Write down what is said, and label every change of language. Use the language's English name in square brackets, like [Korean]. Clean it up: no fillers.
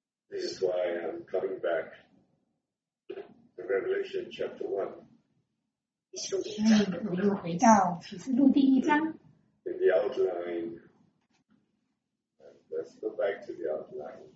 [English] This is why I'm coming back to Revelation chapter one. [Chinese] 所以我又回到启示录第一章。 [English] In the outline, let's go back to the outline.